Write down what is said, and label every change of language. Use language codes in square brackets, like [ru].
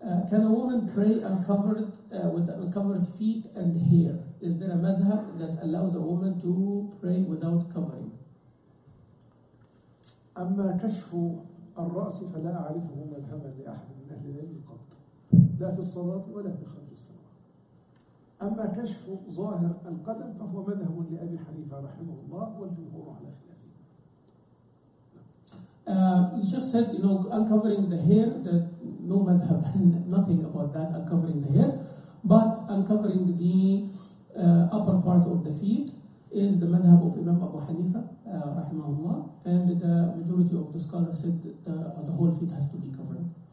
[en] Can a woman pray uncovered with uncovered feet and hair? Is there a madhab that allows a woman to pray without covering? [ar] أما كشف الرأس فلا أعرفه مذهبا لأحد من أهل العلم قط لا في الصلاة ولا في خارج الصلاة. أما كشف ظاهر القدم فهو مذهب لأبي حنيفة رحمه الله والجمهور على خلافه. [en] الشيخ said, you know, uncovering the hair, that no madhab, nothing about that, uncovering the hair, but uncovering the upper part of the feet is the madhab of Imam Abu Hanifa rahimahullah, and the majority of the scholars said that the whole feet has to be covered.